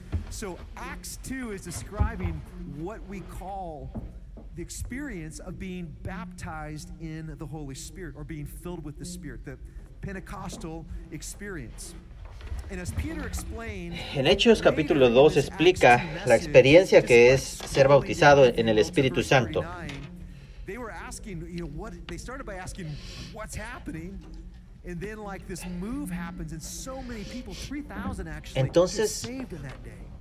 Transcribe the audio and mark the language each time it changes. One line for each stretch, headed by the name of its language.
English: So Acts 2 is describing what we call the experience of being baptized in the Holy Spirit or being filled with the Spirit, the Pentecostal experience. And as Peter explained,
Spanish: en Hechos capítulo 2 explica la experiencia que es ser bautizado en el Espíritu Santo.
English: They were asking, you know, what they started by asking, what's happening? And then like this move happens and so many people, 3,000 actually, entonces, get saved in that day.